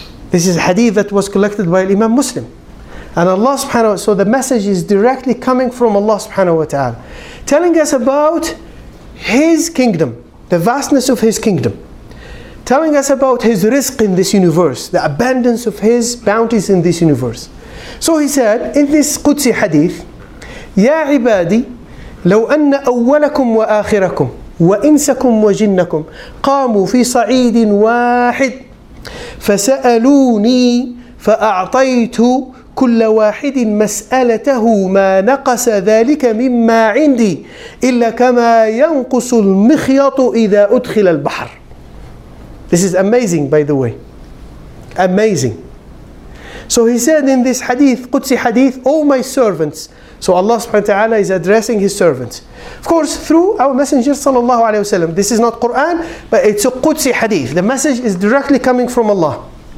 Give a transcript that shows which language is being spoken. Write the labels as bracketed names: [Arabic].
[English] This is a hadith that was collected by Imam Muslim. And Allah subhanahu wa ta'ala, so the message is directly coming from Allah subhanahu wa ta'ala, telling us about His kingdom, the vastness of His kingdom. Telling us about His rizq in this universe, the abundance of His bounties in this universe. So He said in this Qudsi hadith, [Arabic] يَا عِبَادِي لَوْ أَنَّ أَوَّلَكُمْ وَآخِرَكُمْ وَإِنْسَكُمْ وَجِنَّكُمْ قَامُوا فِي صَعِيدٍ وَاحِدٍ فَسَأَلُونِي فَأَعْطَيْتُ كُلَّ وَاحِدٍ مَسْأَلَتَهُ مَا نَقَسَ ذَلِكَ مِمَّا عِنْدِي إِلَّا كَمَا يَنْقُسُ الْمِخْيَطُ إِذَا أُدْخِلَ الْبَحْرِ. [English] This is amazing, by the way. Amazing. So he said in this hadith, Qudsi hadith, O my servants. So Allah subhanahu wa ta'ala is addressing His servants. Of course, through our messenger sallallahu alayhi wa sallam. This is not Quran, but it's a Qudsi hadith. The message is directly coming from Allah.